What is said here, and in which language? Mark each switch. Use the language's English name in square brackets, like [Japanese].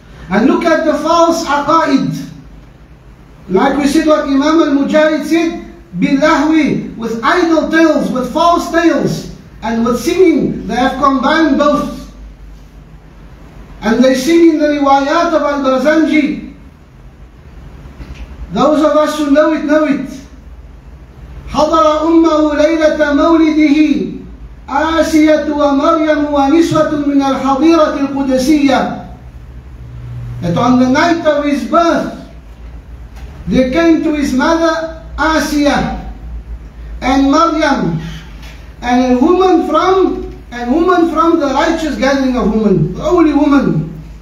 [English] And look at the false aqaid. Like we said, what Imam al-Mujahid said, bilahwi, with idle tales, with false tales, and with singing, they have combined both. And they sing in the riwayat of al-Barzanji. Those of us who know it, know it. [Arabic] حضر أمه ليلة مولده آسية ومريم ونسوة من الحضيرة القدسية. [English] That on the night of his birth, they came to his mother Asiya and Maryam, and a woman from the righteous gathering of women, the holy woman.